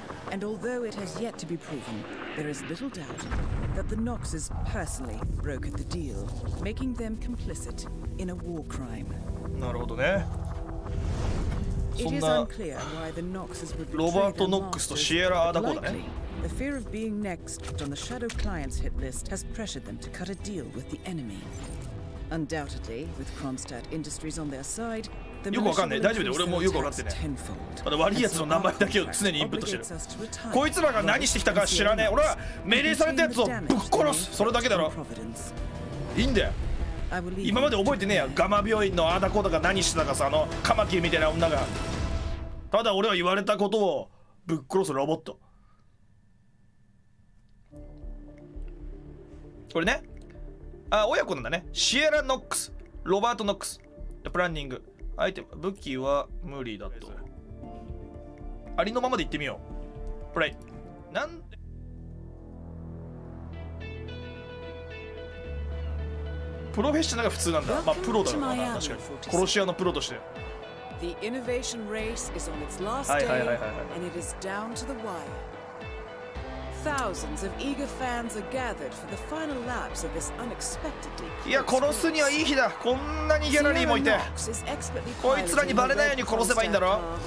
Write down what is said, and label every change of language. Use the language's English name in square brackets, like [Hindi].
[English] And although it has yet to be proven, there is little doubt that the Noxes personally brokered the deal, making them complicit in a war crime. [Japanese] なるほどね。 [English] It is unclear why the Noxes would betray their masters. [Japanese] ロバート・ノックスとシエラ・アダコだね。 [English] The fear of being next on the Shadow Client's hit list has pressured them to cut a deal with the enemy. Undoubtedly, with Kronstadt Industries on their side, the [Japanese] よくわかんない。大丈夫だよ。俺もよくわかってね。ただ悪い奴の名前だけを常にインプットしてる。こいつらが何してきたか知らねえ。俺は命令された奴をぶっ殺す。それだけだろ。いいんだよ。今まで覚えてねえや。ガマ病院のアダコとか何してたかさ、あのカマキリみたいな女が。ただ俺は言われたことをぶっ殺すロボット。これね、あ、親子なんだね。シエラ・ノックス、ロバート・ノックス。プランニング、アイテム、武器は無理だと。ありのままで行ってみよう。プレイ。なんで？プロフェッショナルが普通なんだ。まあ、プロだろうな、確かに。殺し屋のプロとして。 [English] The innovation race is on its last day, and it is down to the wire. Thousands of eager fans are gathered for the final laps of this unexpectedly close race. [Japanese] いや、殺すにはいい日だ。こんなにギャラリーもいて。こいつらにバレないように殺せばいいんだろ。